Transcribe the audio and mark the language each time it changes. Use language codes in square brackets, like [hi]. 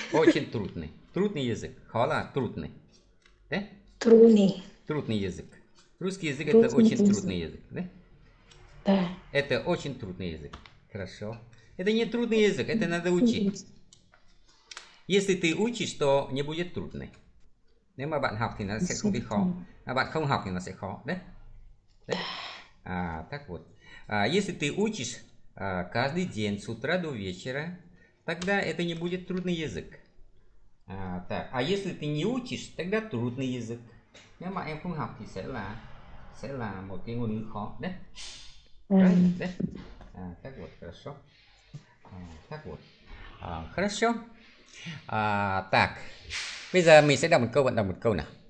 [ru] Очень трудный. Трудный язык. Хола, трудный. Да? Трудный. Трудный язык. Русский язык это Трудный очень язык. трудный язык. Да? Да. Это очень трудный язык. Хорошо. Это не трудный язык, это надо учить. Если ты учишь, то не будет трудно. [vi] Nếu mà bạn học thì nó sẽ không bị khó. À, bạn không học thì nó sẽ khó. Đấy. Đấy. À, [ru] так вот. А, если ты учишь каждый день с утра до вечера, тогда это не будет трудный язык. А, так. А если ты не учишь, тогда трудный язык. [vi] Nếu mà em không học thì sẽ là một cái ngôn ngữ khó. Đấy. [ru] Правильно? Đấy. À, так вот. Хорошо. À, так вот. À, хорошо. À, так. [vi] Bây giờ mình sẽ đọc một câu nào.